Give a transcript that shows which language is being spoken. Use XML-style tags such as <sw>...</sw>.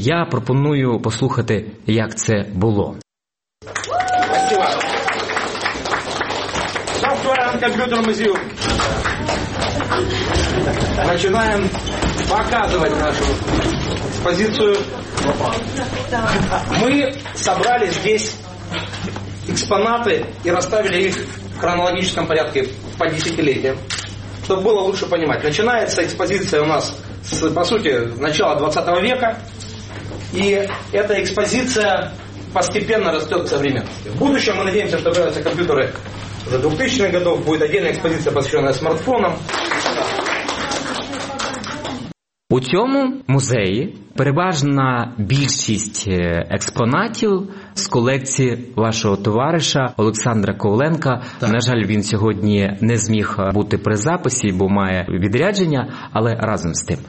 <uk>Я пропоную послухати, як це було. Дякую. Софтверен комп'ютер музею. Починаємо показувати нашу експозицію. Ми зібрали тут експонати і розставили їх</uk> <ru>в хронологическом порядке по десятилетиям, чтобы было лучше понимать. Начинается экспозиция у нас с, по сути, начала 20 века, и эта экспозиция постепенно растет в современности. В будущем мы надеемся, что появятся компьютеры за 2000-х годов, будет отдельная экспозиция, посвященная смартфонам.</ru> <uk>У цьому музеї переважна більшість експонатів з колекції вашого товариша Олександра Коваленка. Так. На жаль, він сьогодні не зміг бути при записі, бо має відрядження, але разом з тим.</uk>